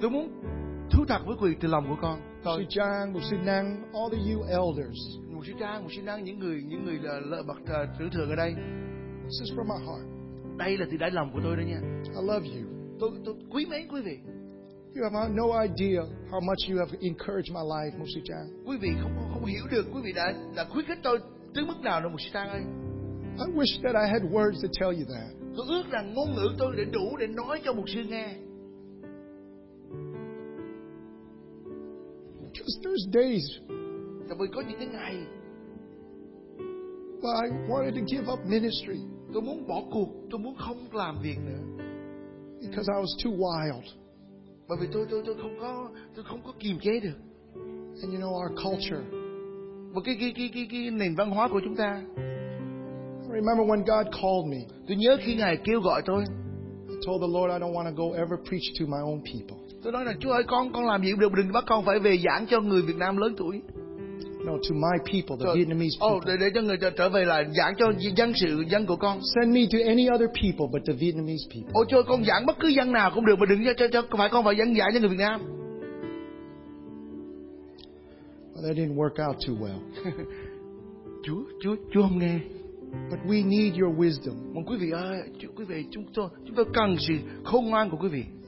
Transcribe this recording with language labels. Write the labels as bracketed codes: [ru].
[vi] Tôi muốn thú thật với quý vị từ lòng của con. [en] Sư Trang, Mục Sư Năng, all of you elders. [vi] Mục Sư Trang, Mục Sư Năng, những người lợi bậc trưởng thượng ở đây. [en] This is from my heart. [vi] Đây là từ đáy lòng của tôi đó nha. [en] I love you. [vi] Tôi quý mến quý vị. [en] You have no idea how much you have encouraged my life, Mục Sư Trang. [vi] Quý vị không hiểu được quý vị đã khuyến khích tôi tới mức nào đâu, Mục Sư Trang ơi. [en] I wish that I had words to tell you that. [vi] Tôi ước rằng ngôn ngữ tôi để đủ để nói cho Mục Sư nghe. [en] There's days. [vi] Tại vì có những cái ngày. [en] But I wanted to give up ministry. [vi] Tôi muốn bỏ cuộc, tôi muốn không làm việc nữa. [en] Because I was too wild. [vi] Bởi vì tôi không có kiềm chế được. [en] And you know our culture. [vi] Và cái nền văn hóa của chúng ta. [en] I remember when God called me. [vi] Tôi nhớ khi Ngài kêu gọi tôi. [en] I told the Lord I don't want to go ever preach to my own people. [vi] Tôi nói là Chúa ơi, con làm gì cũng được, đừng bắt con phải về giảng cho người Việt Nam lớn tuổi. [en] No, to my people, the Vietnamese people. [vi] Để cho người trở về là giảng cho dân của con. [en] Send me to any other people but the Vietnamese people. [vi] Ôi Chúa, con giảng bất cứ dân nào cũng được, mà đừng cho phải con phải giảng cho người Việt Nam. [en] Well, that didn't work out too well. [vi] Chúa không nghe. [en] But we need your wisdom. [vi] Mong quý vị ơi, quý vị chúng tôi cần sự khôn ngoan của quý vị.